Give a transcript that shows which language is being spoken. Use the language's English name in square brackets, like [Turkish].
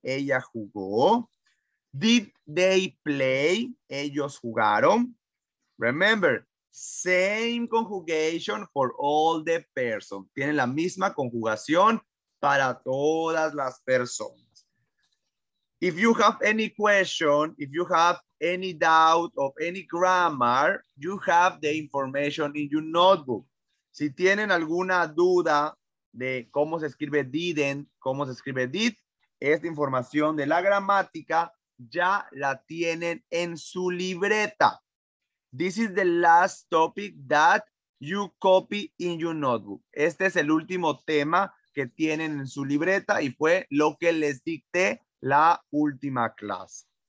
[Spanish] Ella jugó. [English] Did they play? [Spanish] Ellos jugaron. [English] Remember, same conjugation for all the person. [Spanish] Tienen la misma conjugación para todas las personas. [English] If you have any question, if you have any doubt of any grammar, you have the information in your notebook. [Spanish] Si tienen alguna duda de cómo se escribe didn't, cómo se escribe did, esta información de la gramática ya la tienen en su libreta. [English] This is the last topic that you copy in your notebook. [Spanish] Este es el último tema que tienen en su libreta y fue lo que les dicté la última clase.